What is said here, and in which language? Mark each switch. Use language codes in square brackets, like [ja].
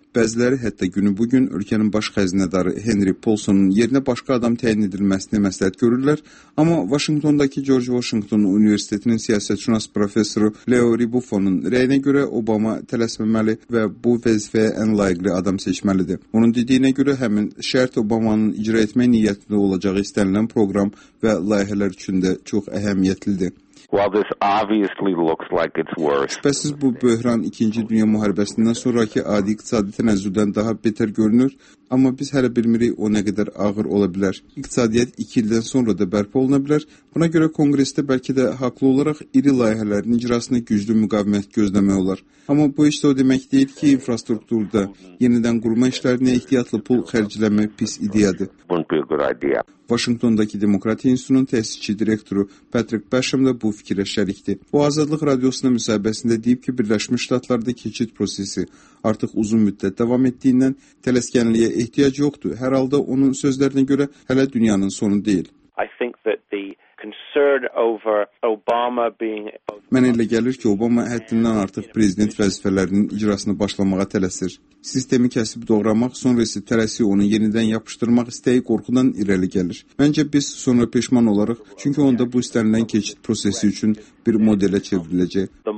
[az] Bəziləri hətta günü bugün ölkənin baş xəzinədarı Henry Paulsonun yerinə başqa adam təyin edilməsini məsləhət görürlər, amma Vaşinqtondakı George Washington Universitetinin siyasətşünas professoru Leo Ribuffo'nun rəyinə görə Obama tələsməməli və bu vəzifəyə ən layiqli adam seçməlidir. Onun dediyinə görə həmin şərt Obamanın icra etmək niyyətində olacağı istənilən proqram və layihələr üçün də çox əhəmiyyətlidir. [en] While this obviously looks like it's worse. [az] Şübhəsiz bu böhran 2-ci dünya müharibəsindən sonrakı adi iqtisadi tənəzzüldən daha betər görünür, amma biz hələ bilmirik o nə qədər ağır ola bilər. İqtisadiyyat 2 ildən sonra da bərpa oluna bilər. Buna görə Konqresdə bəlkə də haqlı olaraq iri layihələrin icrasına güclü müqavimət gözləmək olar. Amma bu işdə o demək deyil ki, infrastrukturda yenidən qurma işlərinə ehtiyatlı pul xərcləmək pis ideyadır. Vaşinqtondakı Demokratiya İnstitutunun təsisçi direktoru Patrick Basham da bu fikirə şərikdir. O, Azadlıq Radiosuna müsahibəsində deyib ki, Birləşmiş Ştatlarda keçid prosesi artıq uzun müddət davam etdiyindən tələskənliyə ehtiyac yoxdur. Hər halda onun sözlərinə görə hələ dünyanın sonu deyil. [en] I think that the concern over Obama being... [az] Mənə elə gəlir ki, Obama həddindən artıq prezident vəzifələrinin icrasını başlamağa tələsir. Sistemi kəsib doğramaq, sonra isə tələsi onu yenidən yapışdırmaq istəyi qorxudan irəli gəlir. Məncə biz sonra peşman olarıq, çünki onda bu istənilən keçid prosesi üçün bir modelə çevriləcək.